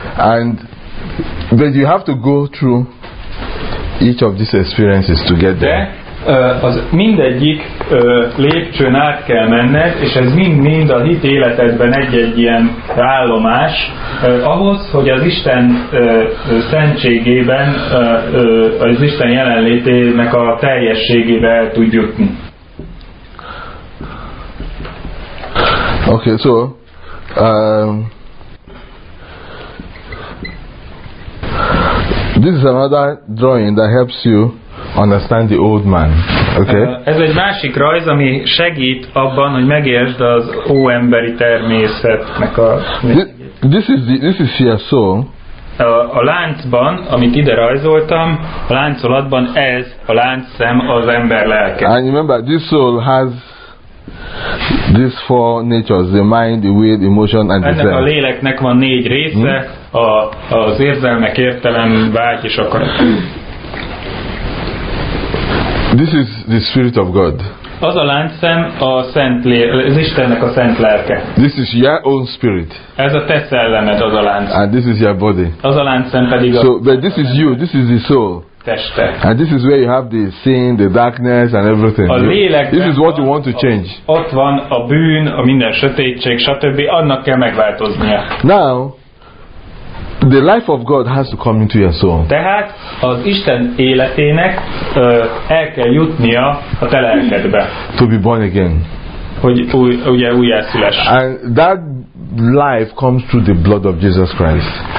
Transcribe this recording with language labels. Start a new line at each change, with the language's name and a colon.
English: And but you have to go through each of these experiences to get there.
Hungarian: Az mindegyik lépcsőn át kell menned, és ez mind-mind a hit életedben egy-egy ilyen állomás, ahhoz, hogy az Isten szentségében, az Isten jelenlétének a teljességébe el tud jutni.
English: Okay, so this is another drawing that helps you understand the old man. Okay.
Hungarian: Ez egy másik rajz, ami segít abban, hogy megértsd az óemberi természetnek a.
English: This is here, so.
Hungarian: A láncban, amit ide rajzoltam, a láncolatban ez a láncszem az ember lelke.
English: And remember, this soul has these four natures: the mind, the will, emotion, and the
Hungarian: self. A léleknek van négy része: az érzelmek, értelem, vágy és akarat.
English: This is the spirit of God.
Hungarian: Az a láncszem a szent lélek, az Istennek a szent lelke.
English: This is your own spirit.
Hungarian: Ez a te szellemed, az a láncszem.
English: And this is your body.
Hungarian: Az a láncszem pedig a.
English: So, but this is you. This is the soul.
Hungarian: Teste.
English: And this is where you have the sin, the darkness, and everything.
Hungarian: A lélek.
English: This is what you want to change.
Hungarian: Ott van a bűn, a minden sötétség, stb. Annak kell megváltoznia.
English: Now. The life of God has to come into your soul.
Hungarian: Tehát az Isten életének el kell jutnia a te lelkedbe.
English: To be born again.
Hungarian: Hogy ugye újjászülés.
English: And that life comes through the blood of Jesus Christ.